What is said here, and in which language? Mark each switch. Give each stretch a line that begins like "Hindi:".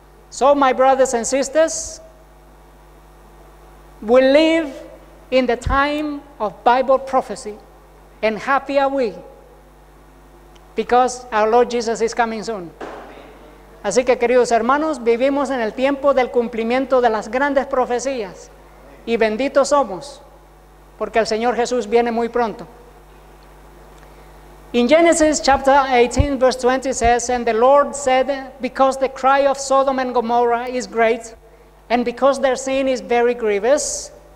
English: So, my brothers and sisters, we live in the time of Bible prophecy. And happy are we, because our Lord Jesus is coming soon.
Spanish: Así que, queridos hermanos, vivimos en el tiempo del cumplimiento de las grandes profecías. Y benditos somos, porque el Señor Jesús viene muy pronto.
English: In Genesis chapter 18, verse 20 says, and the Lord said, because the cry of Sodom and Gomorrah is great, and because their sin is very grievous.